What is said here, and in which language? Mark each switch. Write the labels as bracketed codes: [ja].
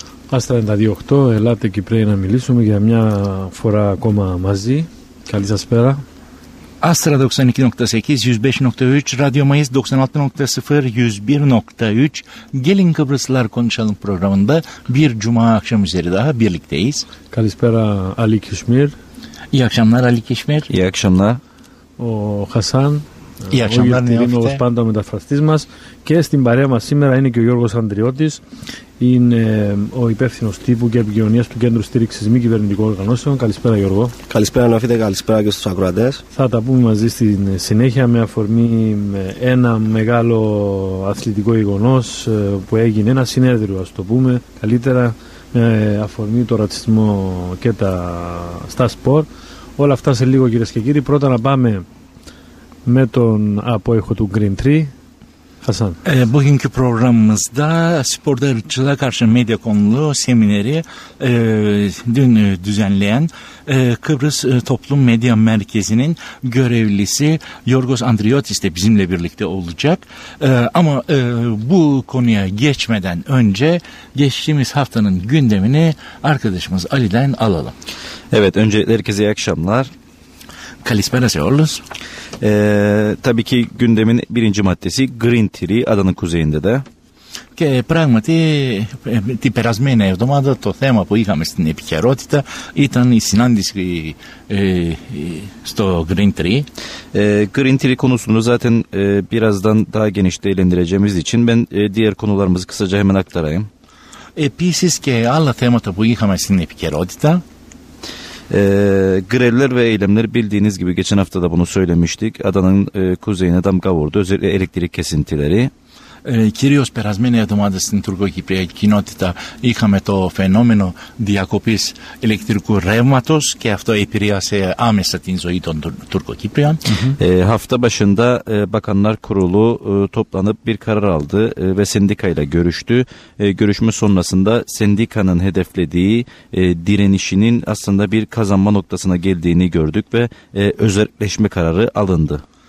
[el] Α32.8, ελάτε και πρέπει να μιλήσουμε για μια φορά ακόμα μαζί. Καλή σας πέρα. [tr] Α32.8, 105.3, Radio Mayıs 96.0, 101.3, Gelin Kıbrıslılar Konuşalım programında bir cuma akşamı üzeri daha birlikteyiz. [el] Kalispera Ali Kişmir. [tr] İyi akşamlar Ali Kişmir. İyi akşamlar. [el] O Hasan. [tr] İyi akşamlar Neofte. [el] Ο Ιερτήρινο ως πάντα μεταφραστής μας. Και στην παρέα μας σήμερα είναι και ο Γιώργος Ανδριώτης. Είναι ο υπεύθυνος τύπου και επικοινωνίας του Κέντρου Στήριξης Μη Κυβερνητικών Οργανώσεων. Καλησπέρα Γιώργο. Καλησπέρα Νεόφιτε, καλησπέρα και στους ακροατές. Θα τα πούμε μαζί στη συνέχεια με αφορμή ένα μεγάλο αθλητικό γεγονός που έγινε, ένα συνέδριο ας το πούμε καλύτερα, με αφορμή το ρατσισμό και στα σπορ. Όλα αυτά σε λίγο κυρίες και κύριοι. Πρώτα να πάμε με τον απόϊχο του Green Tree. [tr] Hasan. Bugünkü programımızda sporda ırkçılığa karşı medya konulu semineri dün düzenleyen Kıbrıs Toplum Medya Merkezi'nin görevlisi Yorgos Andriotis de bizimle birlikte olacak. Ama bu konuya geçmeden önce geçtiğimiz haftanın gündemini arkadaşımız Ali'den alalım. Evet, öncelikle herkese iyi akşamlar. [el] Kalispera seorlus. [tr] Tabii ki gündemin birinci maddesi Green Tree, adanın kuzeyinde de. [el] Και πράγματι την περασμένη εβδομάδα το θέμα που είχαμε στην επικαιρότητα ήταν η συνάντηση στο Green Tree. [tr] Green Tree konusunu zaten birazdan daha geniş değerlendireceğimiz için ben diğer konularımızı kısaca hemen aktarayım. [el] Επίσης και άλλα θέματα που είχαμε στην επικαιρότητα. [tr] Grevler ve eylemler bildiğiniz gibi geçen hafta da bunu söylemiştik. Adanın kuzeyine damga vurdu. Özellikle elektrik kesintileri. [el] Κυρίως περασμένη εβδομάδα στην τουρκοκυπριακή κοινότητα είχαμε το φαινόμενο διακοπής ηλεκτρικού ρεύματος και αυτό επηρέασε άμεσα την ζωή των Τουρκοκυπρίων. [tr] Hafta başında Bakanlar Kurulu toplanıp bir karar aldı ve sendikayla görüştü. Görüşme sonrasında sendikanın hedeflediği direnişinin aslında bir kazanma noktasına geldiğini gördük ve özelleşme kararı alındı.